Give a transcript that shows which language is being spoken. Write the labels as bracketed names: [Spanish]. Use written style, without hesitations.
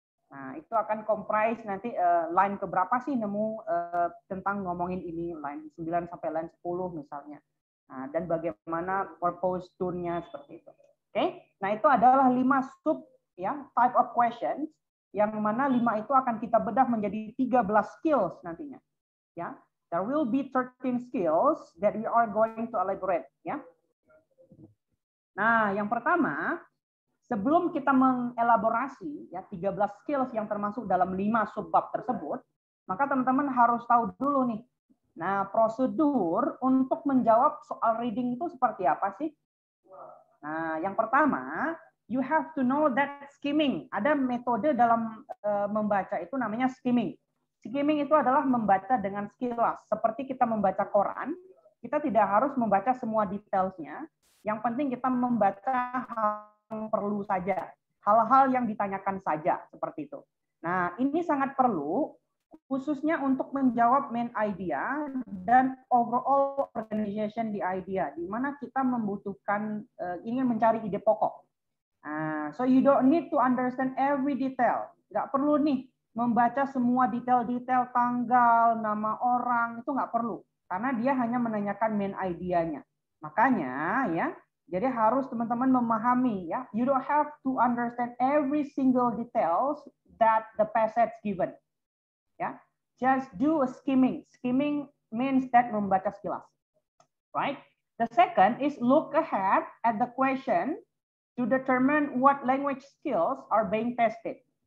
[Indonesian] Nah, itu akan comprise nanti line keberapa sih nemu tentang ngomongin ini, line 9 sampai line 10 misalnya. Nah, dan bagaimana purpose tune-nya seperti itu. Oke. Nah, itu adalah 5 sub ya [English] type of questions [Indonesian] yang mana 5 itu akan kita bedah menjadi 13 skills nantinya. Ya. [English] There will be 13 skills that we are going to elaborate, ya. [Indonesian] Nah, yang pertama, sebelum kita mengelaborasi ya 13 skills yang termasuk dalam 5 subbab tersebut, maka teman-teman harus tahu dulu nih. Nah, prosedur untuk menjawab soal reading itu seperti apa sih? Nah, yang pertama, [English] you have to know that skimming. [Indonesian] Ada metode dalam membaca itu namanya skimming. Skimming itu adalah membaca dengan sekilas. Seperti kita membaca koran, kita tidak harus membaca semua detailsnya. Yang penting kita membaca hal yang perlu saja. Hal-hal yang ditanyakan saja, seperti itu. Nah, ini sangat perlu khususnya untuk menjawab main idea dan overall organization the idea, di mana kita membutuhkan ingin mencari ide pokok. [English] So you don't need to understand every detail. [Indonesian] Nggak perlu nih membaca semua detail-detail tanggal, nama orang, itu nggak perlu. Karena dia hanya menanyakan main idea-nya. Makanya ya, jadi harus teman-teman memahami ya, [English] you don't have to understand every single details that the passage given. Ya, just do a skimming. Skimming means that [Indonesian] membaca sekilas. [English] Right? The second is look ahead at the question to determine what language skills are being tested.